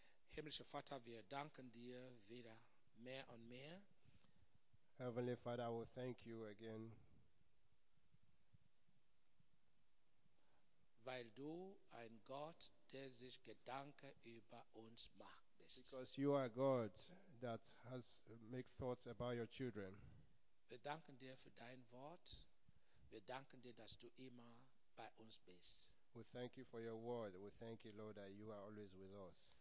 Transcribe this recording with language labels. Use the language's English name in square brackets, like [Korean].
[German] Himmlischer Vater, wir danken dir wieder mehr und mehr. [English] Heavenly Father, we thank you again. [German] Weil du ein Gott, der sich Gedanken über uns macht, bist. [English] Because you are God that has make thoughts about your children. [German] Wir danken dir für dein Wort. Wir danken dir, dass du immer bei uns bist. [English] We thank you for your word. We thank you, Lord, that you are always with us.